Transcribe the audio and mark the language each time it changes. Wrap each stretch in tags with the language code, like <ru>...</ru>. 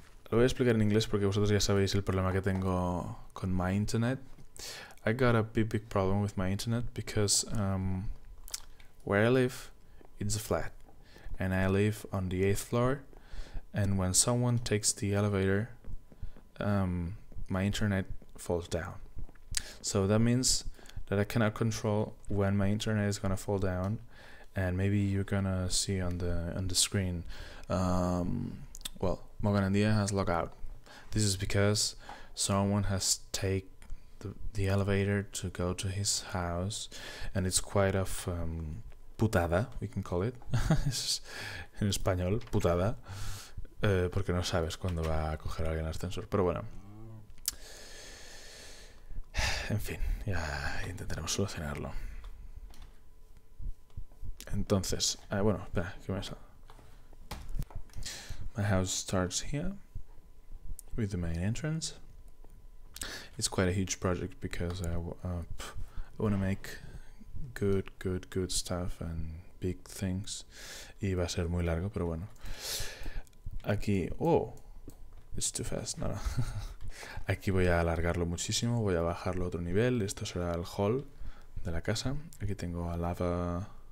<es>Lo voy a explicar en inglés porque vosotros ya sabéis el problema que tengo con</es> <en>my internet. I got a big, big problem with my internet because where I live, it's a flat, and I live on the 8th floor, and when someone takes the elevator, my internet falls down. So that means that I cannot control when my internet is gonna fall down, and maybe you're gonna see on the screen, well, Mogananda has logged out. This is because someone has taken the elevator to go to his house, and it's quite of putada, we can call it.</en> <es>En español, putada. Porque no sabes cuándo va a coger a alguien el ascensor. Pero bueno. En fin, ya intentaremos solucionarlo. Entonces, bueno, espera, ¿qué me sale?</es> <en>My house starts here with the main entrance. It's quite a huge project because I want to make good stuff and big things.</en> <es>Y va a ser muy largo, pero bueno. Aquí,</es> <en>oh, it's too fast.</en> <es>No, no. Aquí voy a alargarlo muchísimo. Voy a bajarlo a otro nivel. Esto será el hall de la casa. Aquí tengo a lava.</es>